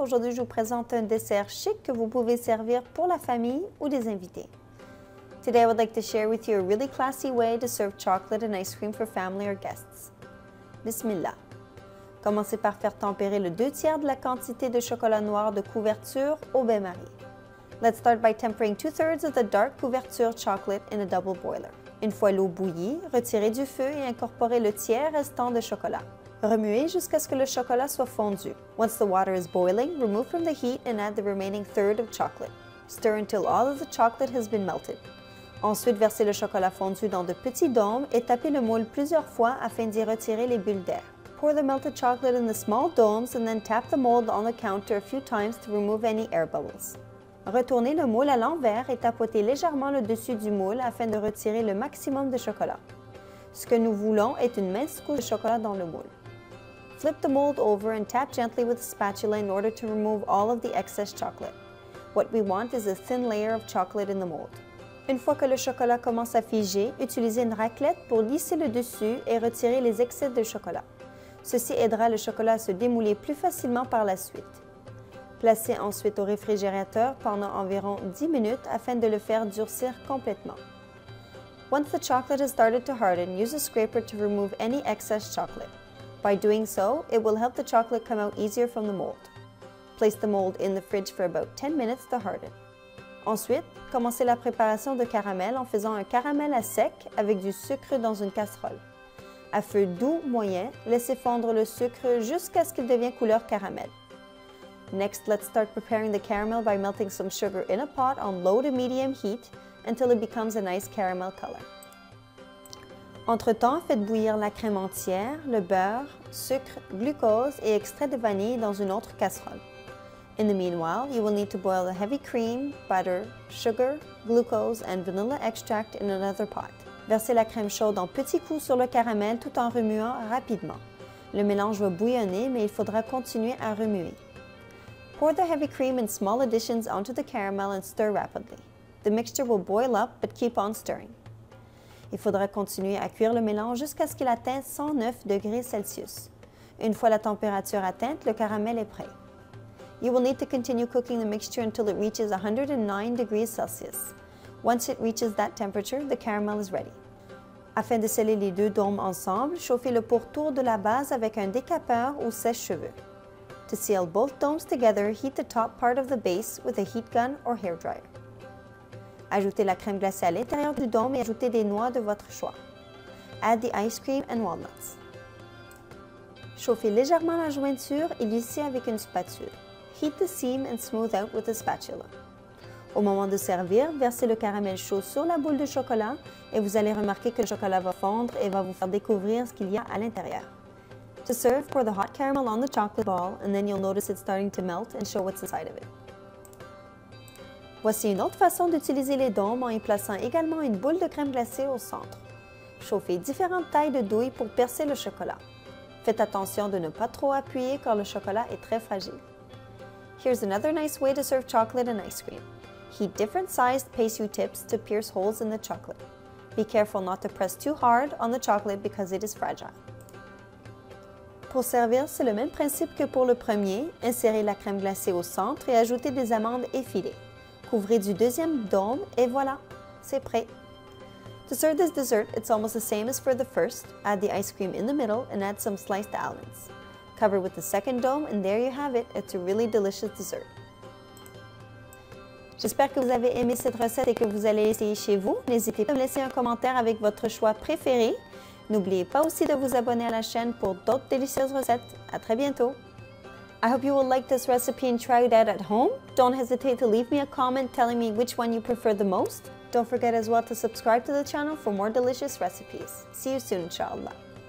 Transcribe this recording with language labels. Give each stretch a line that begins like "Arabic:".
French: Aujourd'hui, je vous présente un dessert chic que vous pouvez servir pour la famille ou des invités.
English: Today, I would like to share with you a really classy way to serve chocolate and ice cream for family or guests.
Arabic: Bismillah.
French: Commencez par faire tempérer le 2/3 de la quantité de chocolat noir de couverture au bain-marie.
English: Let's start by tempering 2/3 of the dark couverture chocolate in a double boiler.
French: Une fois l'eau bouillie, retirez du feu et incorporez le tiers restant de chocolat. Remuez jusqu'à ce que le chocolat soit fondu.
English: Once the water is boiling, remove from the heat and add the remaining third of chocolate. Stir until all of the chocolate has been melted.
French: Ensuite, versez le chocolat fondu dans de petits dômes et tapez le moule plusieurs fois afin d'y retirer les bulles d'air.
English: Pour the melted chocolate in the small domes and then tap the mold on the counter a few times to remove any air bubbles.
French: Retournez le moule à l'envers et tapotez légèrement le dessus du moule afin de retirer le maximum de chocolat. Ce que nous voulons est une mince couche de chocolat dans le moule.
English: Flip the mold over and tap gently with a spatula in order to remove all of the excess chocolate. What we want is a thin layer of chocolate in the mold.
French: Une fois que le chocolat commence à figer, utilisez une raclette pour lisser le dessus et retirer les excès de chocolat. Ceci aidera le chocolat à se démouler plus facilement par la suite. Placez ensuite au réfrigérateur pendant environ 10 minutes afin de le faire durcir complètement.
English: Once the chocolate has started to harden, use a scraper to remove any excess chocolate. By doing so, it will help the chocolate come out easier from the mold. Place the mold in the fridge for about 10 minutes to harden.
French: Ensuite, commencez la préparation de caramel en faisant un caramel à sec avec du sucre dans une casserole. À feu doux moyen, laissez fondre le sucre jusqu'à ce qu'il devienne couleur caramel.
English: Next, let's start preparing the caramel by melting some sugar in a pot on low to medium heat until it becomes a nice caramel color.
French: Entre-temps, faites bouillir la crème entière, le beurre, sucre, glucose et extrait de vanille dans une autre casserole.
English: In the meanwhile, you will need to boil the heavy cream, butter, sugar, glucose and vanilla extract in another pot.
French: Versez la crème chaude en petits coups sur le caramel tout en remuant rapidement. Le mélange va bouillonner, mais il faudra continuer à remuer.
English: Pour the heavy cream in small additions onto the caramel and stir rapidly. The mixture will boil up, but keep on stirring.
French: Il faudra continuer à cuire le mélange jusqu'à ce qu'il atteigne 109 degrés Celsius. Une fois la température atteinte, le caramel est prêt.
English: You will need to continue cooking the mixture until it reaches 109 degrees Celsius. Once it reaches that temperature, the caramel is ready.
French: Afin de sceller les deux dômes ensemble, chauffez le pourtour de la base avec un décapeur ou sèche-cheveux.
English: To seal both domes together, heat the top part of the base with a heat gun or hair dryer.
French: Ajoutez la crème glacée à l'intérieur du dôme et ajoutez des noix de votre choix.
English: Add the ice cream and walnuts.
French: Chauffez légèrement la jointure et lissez avec une spatule.
English: Heat the seam and smooth out with a spatula.
French: Au moment de servir, versez le caramel chaud sur la boule de chocolat et vous allez remarquer que le chocolat va fondre et va vous faire découvrir ce qu'il y a à l'intérieur.
English: To serve, pour the hot caramel on the chocolate ball and then you'll notice it starting to melt and show what's inside of it.
French: Voici une autre façon d'utiliser les dômes en y plaçant également une boule de crème glacée au centre. Chauffez différentes tailles de douille pour percer le chocolat. Faites attention de ne pas trop appuyer car le chocolat est très fragile.
English: Here's another nice way to serve chocolate and ice cream. Heat different sized pastry tips to pierce holes in the chocolate. Be careful not to press too hard on the chocolate because it is fragile.
French: Pour servir, c'est le même principe que pour le premier. Insérez la crème glacée au centre et ajoutez des amandes effilées. Couvrez du deuxième dôme et voilà, c'est prêt.
English: To serve this dessert, it's almost the same as for the first. Add the ice cream in the middle and add some sliced almonds. Cover with the second dome and there you have it, it's a really delicious dessert.
French: J'espère que vous avez aimé cette recette et que vous allez essayer chez vous. N'hésitez pas à me laisser un commentaire avec votre choix préféré. N'oubliez pas aussi de vous abonner à la chaîne pour d'autres délicieuses recettes. À très bientôt!
English: I hope you will like this recipe and try it out at home. Don't hesitate to leave me a comment telling me which one you prefer the most. Don't forget as well to subscribe to the channel for more delicious recipes. See you soon, inshallah.